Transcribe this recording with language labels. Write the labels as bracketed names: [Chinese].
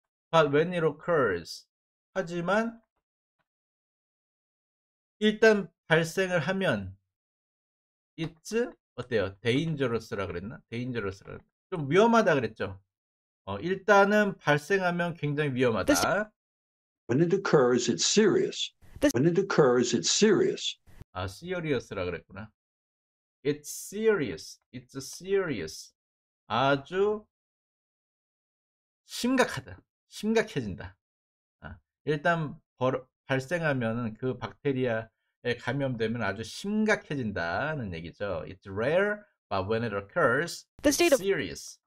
[English] But when it occurs, [Korean] 하지만 일단 발생을 하면 [English] it's [Korean] 어때요? dangerous라고 그랬나? dangerous라고 좀 위험하다 그랬죠? 일단은 발생하면 굉장히 위험하다. [English] When it occurs, it's serious. When it occurs, it's serious. [Korean] 아, serious라 그랬구나. [English] It's serious. It's serious. [Korean] 아주 심각하다. 심각해진다. 아, 일단 발생하면은 그 박테리아에 감염되면 아주 심각해진다는 얘기죠. [English] It's rare, but when it occurs, it's serious.